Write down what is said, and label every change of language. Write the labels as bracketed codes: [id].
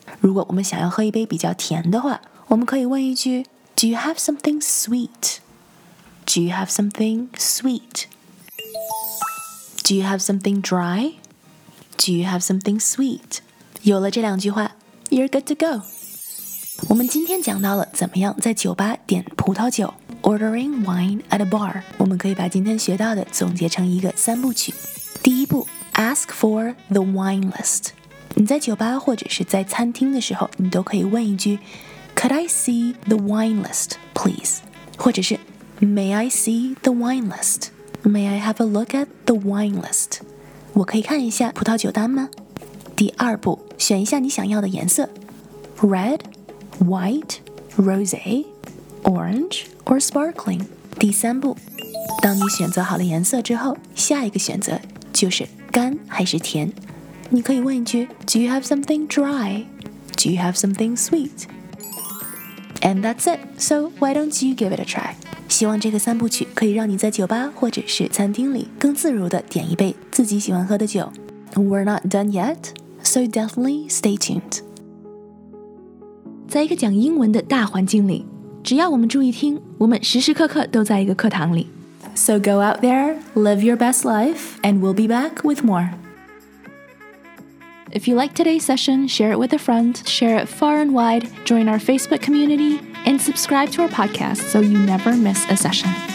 [zh] 如果我们想要喝一杯比较甜的话，我们可以问一句 Do you have something sweet? [en] Do you have something sweet? Do you have something dry? Do you have something sweet? 有了这两句话， You're good to go. [zh] 我们今天讲到了怎么样在酒吧点葡萄酒， Ordering wine at a bar. 我们可以把今天学到的总结成一个三部曲。 [en] 第一步， Ask for the wine list. [zh] 你在酒吧或者是在餐厅的时候，你都可以问一句， Could I see the wine list, please? [en] 或者是 May I see the wine list? May I have a look at the wine list? [zh] 我可以看一下葡萄酒单吗？第二步，选一下你想要的颜色， Red, White, Rosé, Orange or Sparkling。第三步，当你选择好了颜色之后，下一个选择就是干还是甜。 [en] 你可以问一句， Do you have something dry? Do you have something sweet? And that's it, so why don't you give it a try? [zh] 希望这个三部曲可以让你在酒吧或者是餐厅里更自如地点一杯自己喜欢喝的酒。 [en] We're not done yet? So definitely stay tuned. [zh] 在一个讲英文的大环境里，只要我们注意听，我们时时刻刻都在一个课堂里。 [en] So go out there, live your best life, and we'll be back with more. If you like today's session, share it with a friend, share it far and wide, join our Facebook community, and subscribe to our podcast so you never miss a session.